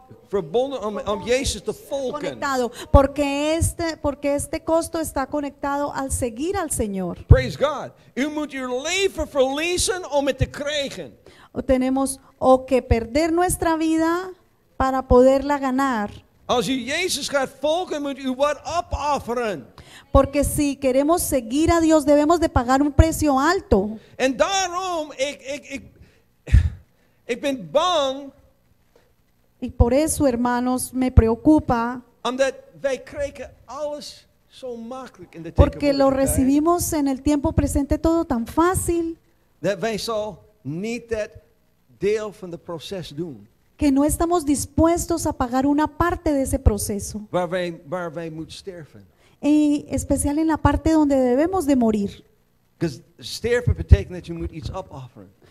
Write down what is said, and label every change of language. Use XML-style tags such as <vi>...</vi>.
<nl>verbonden om Jesus te volgen.</nl> <es>Conectado, porque este costo está conectado al seguir al Señor.</es> <en>Praise God.</en> <nl>U moet uw leven verliezen om het te krijgen.</nl> <es>Tenemos o que perder nuestra vida para poderla ganar.</es> <nl>Als u Jezus gaat volgen, moet u wat opofferen.</nl> <es>Porque si queremos seguir a Dios, debemos de pagar un precio alto.</es> <nl>En daarom, ik ben bang.</nl> <es>Y por eso, hermanos, me preocupa.</es> <nl>Omdat wij krijgen alles zo makkelijk in de tijd.</nl> <es>Porque lo recibimos en el tiempo presente todo tan fácil.</es> <nl>Dat wij zo niet dat deel van de proces doen.</nl> <es>Que no estamos dispuestos a pagar una parte de ese proceso.</es> <nl>Waar wij moeten sterven.</nl> <es>Y especial en la parte donde debemos de morir.</es> <nl>Sterven betekent dat je moet iets opofferen.</nl>